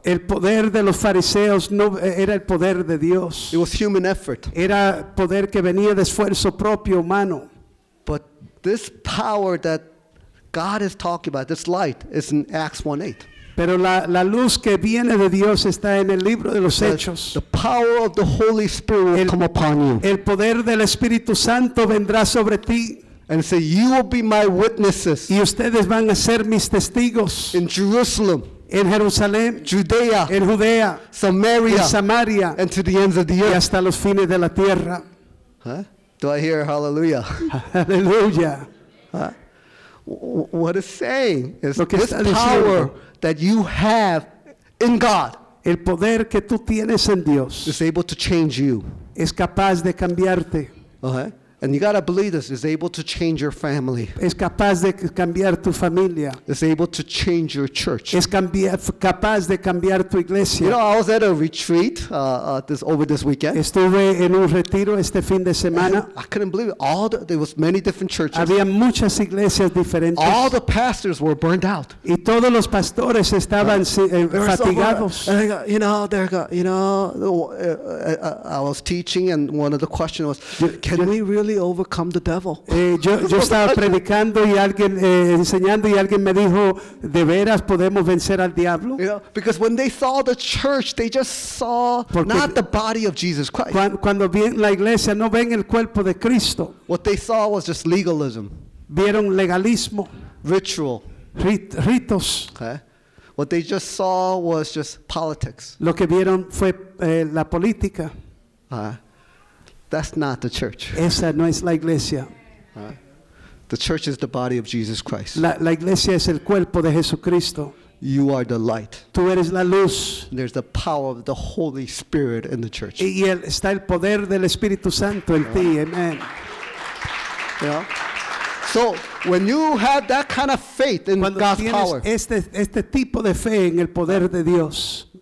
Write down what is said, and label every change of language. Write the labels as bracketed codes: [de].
[es] El poder de los fariseos no era el poder de Dios. [en] It was human effort. [es] Era poder que venía de esfuerzo propio humano. [en] But this power that God is talking about, this light, is in Acts 1:8. [es] Pero la luz que viene de Dios está en el libro de los Hechos. [en] The power of the Holy Spirit will come upon you. [es] El poder del Espíritu Santo vendrá sobre ti. [en] And say, "You will be my witnesses." [es] Y ustedes van a ser mis testigos. [en] In Jerusalem. [es] En Jerusalén. [en] Judea. [es] En Judea. [en] Samaria. [es] En Samaria. [en] And to the ends of the earth. [es] Y hasta los fines de la tierra. [en] Do I hear hallelujah? Hallelujah. What it's saying is this power that you have in God, [es] el poder que tú tienes en Dios, [en] is able to change you. [es] Es capaz de cambiarte. [en] Okay. And you gotta believe this, is able to change your family. [es] Es capaz de cambiar tu familia. [en] Is able to change your church. [es] Es capaz de cambiar tu iglesia. [en] You know, I was at a retreat over this weekend. [es] Estuve en un retiro este fin de semana. [en] And I couldn't believe it. There was many different churches. [es] Había muchas iglesias diferentes. [en] All the pastors were burned out. [es] Y todos los pastores estaban fatigados. [en] I was teaching, and one of the questions was, can we really overcome the devil? [es] Yo estaba predicando y alguien enseñando y alguien me dijo, ¿de veras podemos vencer al diablo? [en] Because when they saw the church, they just saw not the body of Jesus Christ. [es] Cuando ven la iglesia, no ven el cuerpo de Cristo. [en] What they saw was just legalism. [es] Vieron legalismo. [en] Ritual. [es] Ritos. [en] Okay. What they just saw was just politics. [es] Lo que vieron fue la política. [en] That's not the church. [es] Esa no es la iglesia. [en] The church is the body of Jesus Christ. [es] La iglesia es el cuerpo de Jesucristo. [en] You are the light. [es] Tú eres la luz. [en] And there's the power of the Holy Spirit in the church. [es] Y está el poder del Espíritu Santo en ti. [en] Amen. Yeah. So when you have that kind of faith in [es] cuando [en] God's power, [es] este tipo de fe en el poder de Dios.